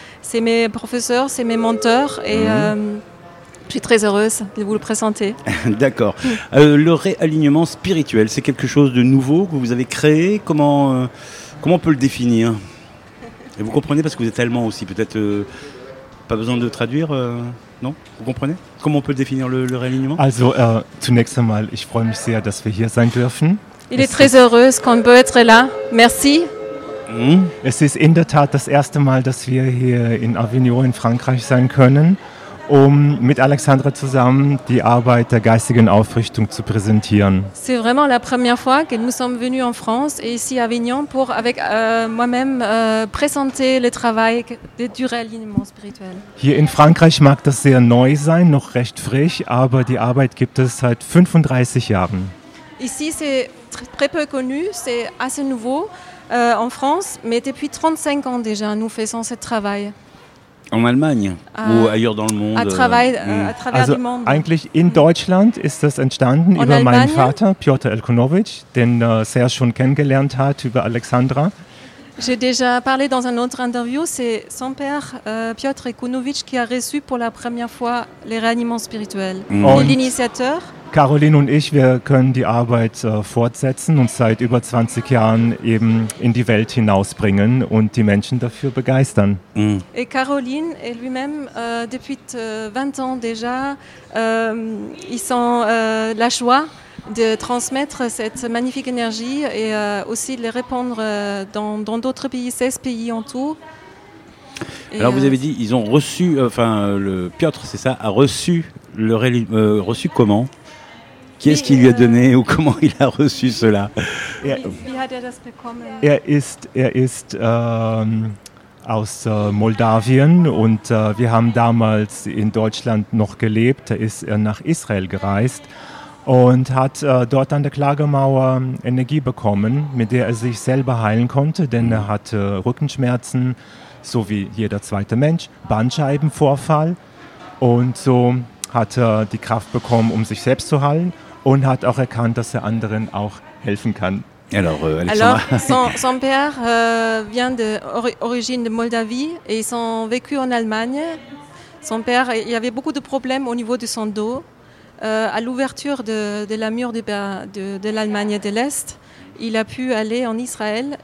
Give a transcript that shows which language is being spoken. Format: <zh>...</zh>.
<fr>c'est mes professeurs, c'est mes mentors, et je suis très heureuse de vous le présenter. D'accord. Le réalignement spirituel, c'est quelque chose de nouveau que vous avez créé. Comment on peut le définir ? Et vous comprenez, parce que vous êtes allemand aussi, peut-être... Pas besoin de traduire, non? Vous comprenez? Comment on peut définir le réalignement?</fr> <de>Also, zunächst einmal, ich freue mich sehr, dass wir hier sein dürfen.</de> <fr>Il est très heureux qu'on peut être là. Merci.</fr> <de>Es ist in der Tat das erste Mal, dass wir hier in Avignon in Frankreich sein können, um mit Alexandra zusammen die Arbeit der geistigen Aufrichtung zu präsentieren.</de> <fr>C'est vraiment la première fois que nous sommes venus en France et ici à Avignon pour avec moi-même présenter le travail du réalignement spirituel.</fr> <de>Hier in Frankreich mag das sehr neu sein, noch recht frisch, aber die Arbeit gibt es seit 35 Jahren.</de> <fr>Ici c'est très peu connu, c'est assez nouveau en France, mais depuis 35 ans déjà nous faisons ce travail. En Allemagne ou ailleurs dans le monde. À travers le monde.</fr> <de>Eigentlich in Deutschland ist das entstanden</de> <fr>en</fr> <de>über</de> <fr>Allemagne?</fr> <de>Meinen Vater Piotr Elkonowitsch, den Serge schon kennengelernt hat über Alexandra.</de> <fr>J'ai déjà parlé dans un autre interview, c'est son père Piotr Elkonowitsch qui a reçu pour la première fois les réanimements spirituels. Et l'initiateur.</fr> <de>Caroline und ich, wir können die Arbeit fortsetzen und seit über 20 Jahren eben in die Welt hinausbringen und die Menschen dafür begeistern.</de> <fr>Et Caroline et lui-même depuis 20 ans déjà ils sont la joie de transmettre cette magnifique énergie et aussi de les répandre dans d'autres pays, 16 pays en tout. Alors vous avez dit ils ont reçu le Piotr, c'est ça, a reçu reçu comment? Qui est-ce qui lui a donné ou comment il a reçu cela?</fr> <de>Er ist aus Moldawien und wir haben damals in Deutschland noch gelebt. Er ist nach Israel gereist und hat dort an der Klagemauer Energie bekommen, mit der er sich selber heilen konnte, denn er hatte Rückenschmerzen, so wie jeder zweite Mensch, Bandscheibenvorfall. Und so hat er die Kraft bekommen, um sich selbst zu heilen. Und hat auch erkannt, dass er anderen auch helfen kann.</de> <fr>Alors son père vient d'origine de Moldavie et ils ont vécu en Allemagne. Son père, il y avait beaucoup de problèmes au niveau de son dos. À l'ouverture de la mur de l'Allemagne de l'Est, il a pu aller en Israël.</fr>